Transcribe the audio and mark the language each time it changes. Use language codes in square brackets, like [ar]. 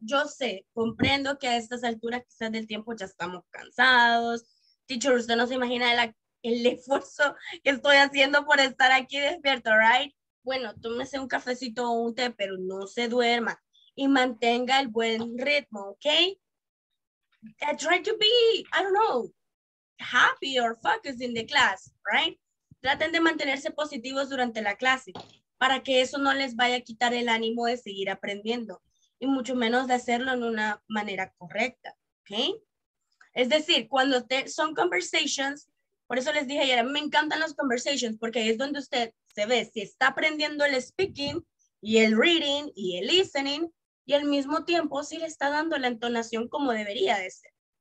[es] Yo sé, comprendo que a estas alturas quizás del tiempo ya estamos cansados. Teacher, usted no se imagina el esfuerzo que estoy haciendo por estar aquí despierto, all right? Bueno, tómese un cafecito o un té, pero no se duerma y mantenga el buen ritmo, okay? [en] I try to be, I don't know, happy or focused in the class, right? [es] Traten de mantenerse positivos durante la clase para que eso no les vaya a quitar el ánimo de seguir aprendiendo y mucho menos de hacerlo en una manera correcta, okay? Es decir, cuando son conversations, por eso les dije ayer, me encantan las conversations porque ahí es donde usted se ve si está aprendiendo el speaking y el reading y el listening y al mismo tiempo si le está dando la entonación como debería de ser.